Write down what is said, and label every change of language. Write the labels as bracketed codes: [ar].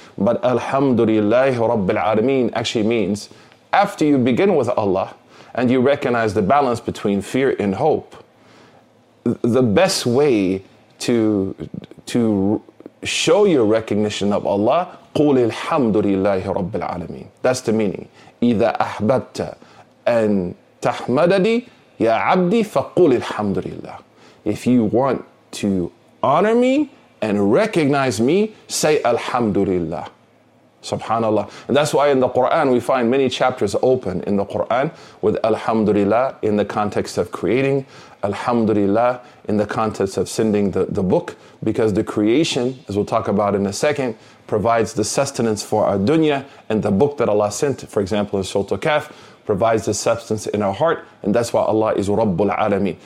[en] But Alhamdulillahi Rabbil Alameen actually means, after you begin with Allah and you recognize the balance between fear and hope, the best way to show your recognition of Allah, [ar] قول الحمدلله رب العالمين. [en] That's the meaning. [ar] إذا أحببت أن تحمدني يا عبدي فقول الحمد لله. [en] If you want to honor me and recognize me, say Alhamdulillah. Subhanallah. And that's why in the Quran, we find many chapters open in the Quran with Alhamdulillah in the context of creating, Alhamdulillah in the context of sending the book, because the creation, as we'll talk about in a second, provides the sustenance for our dunya, and the book that Allah sent, for example, in Surah Al-Kahf, provides the substance in our heart, and that's why Allah is Rabbul Alameen.